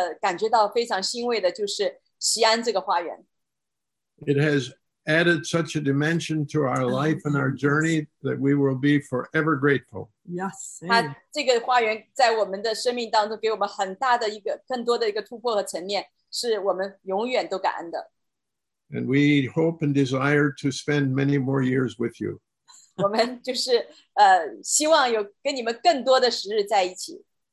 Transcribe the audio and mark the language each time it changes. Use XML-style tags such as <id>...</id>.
<zh>但是我觉得最让我们感觉到有这个赏赐的感觉到非常欣慰的就是锡安这个花园。</zh> <en>It has added such a dimension to our life and our journey that we will be forever grateful. Yes.</en> <zh>它这个花园在我们的生命当中给我们很大的一个更多的一个突破和层面，是我们永远都感恩的。</zh> <en>And we hope and desire to spend many more years with you.</en> <zh>我们就是希望有跟你们更多的时日在一起。</zh>